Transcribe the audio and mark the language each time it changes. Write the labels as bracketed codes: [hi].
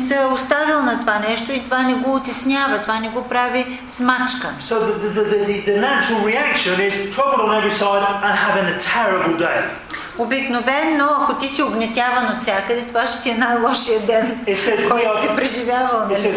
[bg] се оставил на това нещо и това не го утеснява, това не го прави смачка. [en] So the natural reaction is troubled on every side and having a terrible day. [bg] Обикновено, ако ти си огнетяван от всякъде, това ще ти е най-лошия ден, който си преживявал.